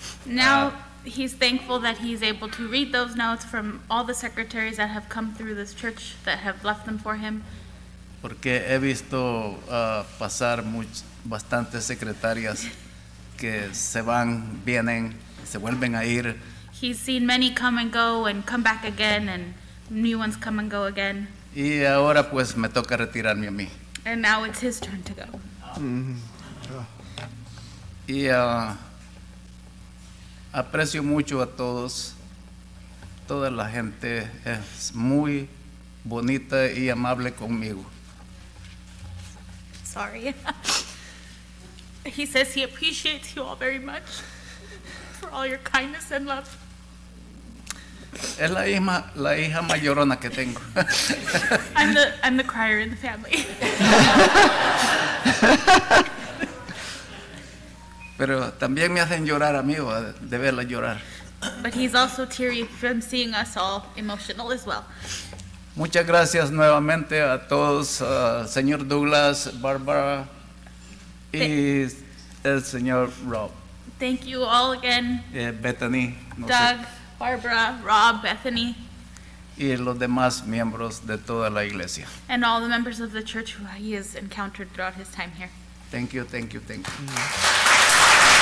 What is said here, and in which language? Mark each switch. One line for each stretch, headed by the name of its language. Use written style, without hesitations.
English: Now he's thankful that he's able to read those notes from all the secretaries that have come through this church that have left them for him.
Spanish: Porque he visto pasar bastantes secretarias que se van, vienen, se vuelven a ir.
English: He's seen many come and go and come back again, and new ones come and go again.
Spanish: Y ahora pues me toca retirarme a mí.
English: And now it's his turn to go.
Spanish: Mm-hmm. Y aprecio mucho a todos. Toda la gente es muy bonita y amable conmigo.
English: Sorry. He says he appreciates you all very much for all your kindness and love.
Spanish: Es la hija mayorona que tengo.
English: I'm the crier in the family.
Spanish: Pero también me hacen llorar a mí de verla llorar.
English: But he's also teary from seeing us all emotional as well.
Spanish: Muchas gracias nuevamente a todos, señor Douglas, Barbara, y el señor Rob.
English: Thank you all again. Bethany.
Spanish: No Doug. Sé. Barbara, Rob, Bethany, y los demás miembros de toda la iglesia.
English: And all the members of the church who he has encountered throughout his time here. Thank you, thank you, thank you.